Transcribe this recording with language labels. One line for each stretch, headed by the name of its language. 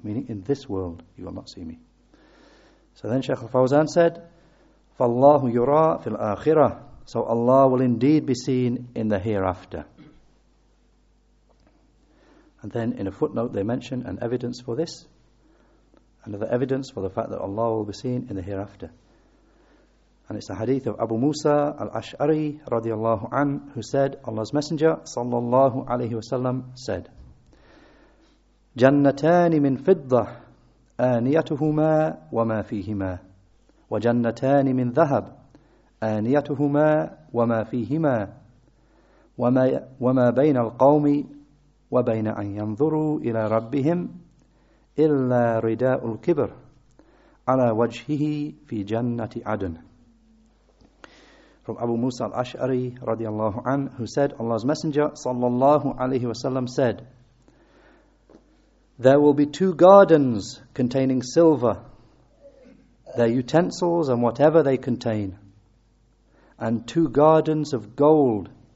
English: Meaning in this world, you will not see me. So then Shaykh al-Fawzan said,
Arabic: فَاللَّهُ يُرَى فِي الْآخِرَةِ.
English: So Allah will indeed be seen in the hereafter. And then in a footnote they mention an evidence for this. Another evidence for the fact that Allah will be seen in the hereafter. And it's the hadith of Abu Musa al-Ash'ari radiallahu an, who said, Allah's Messenger sallallahu alayhi wa sallam said,
Arabic: جَنَّتَانِ مِنْ فِضَّةِ آنيتهما وما فيهما وجنتان من ذهب آنيتهما وما فيهما وما بين القوم وبين أن ينظروا إلى ربهم إلا رداء الكبر على وجهه في جنة عدن.
English: From Abu Musa al-Ash'ari رضي الله عنه, who said, Allah's Messenger صلى الله عليه وسلم said, there will be two gardens containing silver, their utensils and whatever they contain, and two gardens of gold,